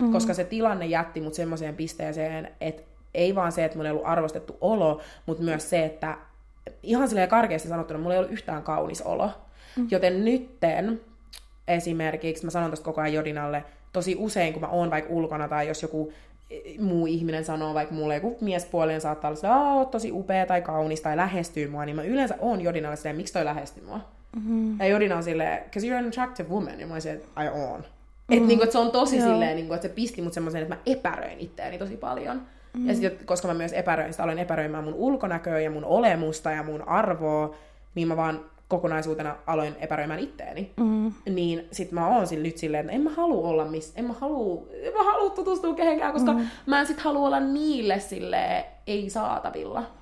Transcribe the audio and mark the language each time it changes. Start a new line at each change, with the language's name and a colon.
Finnish: Koska se tilanne jätti mut semmoiseen pisteeseen, että ei vaan se, että mulla ei ollut arvostettu olo, mutta myös se, että ihan silleen karkeasti sanottuna, mulla ei ollut yhtään kaunis olo. Joten nytten esimerkiksi, mä sanon tästä koko ajan Jodinalle, tosi usein, kun mä oon vaikka ulkona tai jos joku muu ihminen sanoo vaikka mulle, joku miespuolinen saattaa olla, että oot tosi upea tai kaunis tai lähestyy mua, niin mä yleensä oon Jodinalle silleen, miksi toi lähestyy mua? Mm-hmm. Ja Jorina on silleen,
English: because you're an attractive woman.
Finnish: Ja mä olisin, että
English: I own.
Finnish: Mm-hmm. Että niinku, et se on tosi silleen, niinku, että se pisti mut semmoiseen, että mä epäröin itseäni tosi paljon. Mm-hmm. Ja sit, koska mä myös epäröin sitä, aloin epäröimään mun ulkonäköä ja mun olemusta ja mun arvoa, niin mä vaan kokonaisuutena aloin epäröimään itteeni. Mm. Niin sit mä oon sille nyt silleen, että en mä halua olla missä, en mä halua tutustua kehenkään, koska mä en sit halua olla niille sille ei saatavilla.